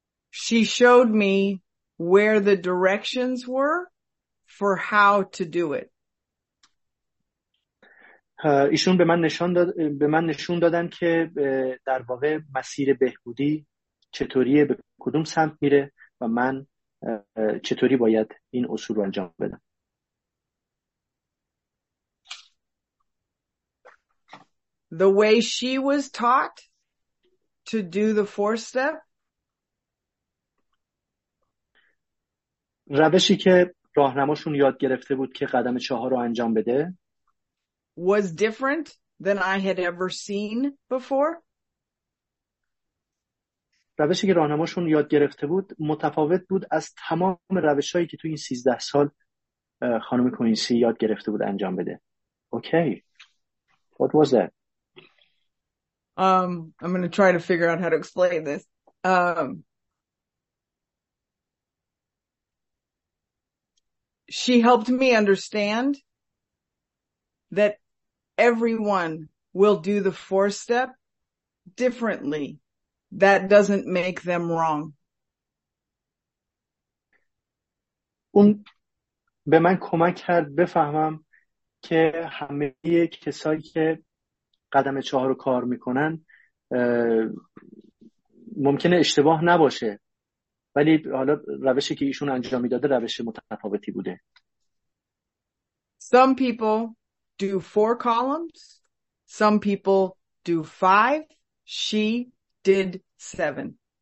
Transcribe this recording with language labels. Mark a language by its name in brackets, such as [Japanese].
[English] She showed me where the directions were for how to do it. [Persian] ایشون به من نشون دادن که در واقع مسیر بهبودی چطوریه، به کدوم سمت میره و من چطوری باید این اصول رو انجام بدم. [English] The way she was taught to do the fourth step. [Persian] روشی که راهنماشون یاد گرفته بود که قدم چهار رو انجام بده [English] was different than I had ever seen before. [Persian] روشی که راهنماشون یاد گرفته بود متفاوت بود از تمام روشایی که تو این 13 سال خانم کوینسی یاد گرفته بود انجام بده. [English] Okay. Okay. What was that? I'm going to try to figure out how to explain this. She helped me understand that everyone will do the four step differently. That doesn't make them wrong. [Persian] اون به من کمک کرد بفهمم که همه کسایی که قدم چهار رو کار میکنن ممکنه اشتباه نباشه، ولی حالا روشی که ایشون انجام میداده روش متفاوتی بوده. [English] Some people do four columns, some people do five, she did seven.